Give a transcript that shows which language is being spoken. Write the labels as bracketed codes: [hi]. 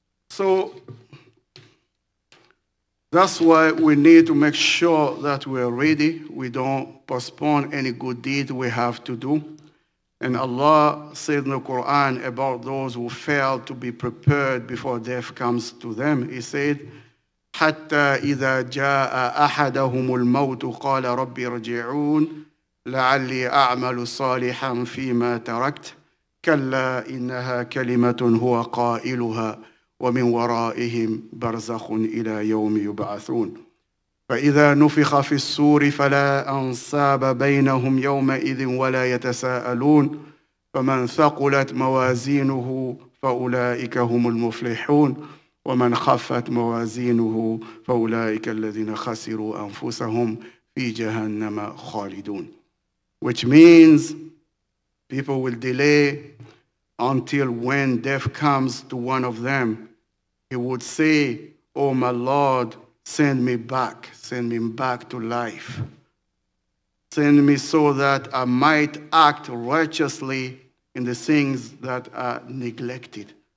[en] So that's why we need to make sure that we're ready. We don't postpone any good deed we have to do. And Allah said in the Quran about those who fail to be prepared before death comes to them. He said, [ar] حتى إذا جاء أحدهم الموت قال ربي ارجعون لعلي أعمل صالحا فيما تركت كلا إنها كلمة هو قائلها ومن ورائهم برزخ إلى يوم يبعثون. فإذا نفخ في الصور فلا أنساب بينهم يومئذ ولا يتساءلون فمن ثقلت موازينه فأولئك هم المفلحون ومن خفت موازينه فأولئك الذين خسروا أنفسهم في جهنم خالدون. [en] Which means people will delay until when death comes to one of them. He would say, Oh my Lord, send me back to life. Send me so that I might act righteously in the things that are neglected.